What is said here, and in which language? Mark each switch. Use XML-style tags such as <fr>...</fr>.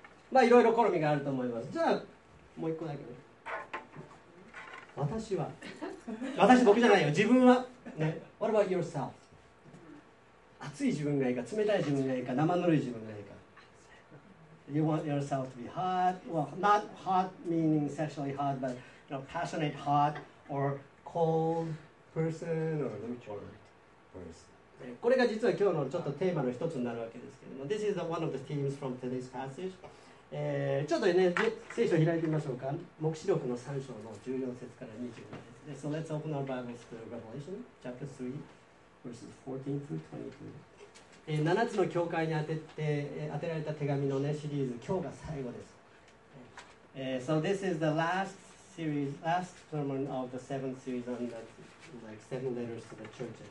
<ja>まあいろいろ好みがあると思います。じゃあもう一個だけ。私は、私僕じゃないよ。自分は、ね、</ja> <en>What about yourself?</en> <ja>熱い自分がいいか、冷たい自分がいいか、生ぬるい自分がいいか。</ja> <en>You want yourself to be hot, well, not hot meaning sexually hot, but you know, passionate hot or cold person or lukewarm person.</en> <ja>これが実は今日のちょっとテーマの一つになるわけですけども、</ja> <en>This is one of the themes from today's passage.</en> <ja>ちょっとね、聖書を開いてみましょうか。黙示録の3章の14節から22節。</ja> <en>So let's open our Bibles to Revelation chapter 3, verses 14 through 22.</en> <ja>7つの教会に当てられた手紙の、ね、シリーズ、今日が最後です。</ja> <en>So this is the last series, last sermon of the seventh series on the like, seven letters to the churches.</en>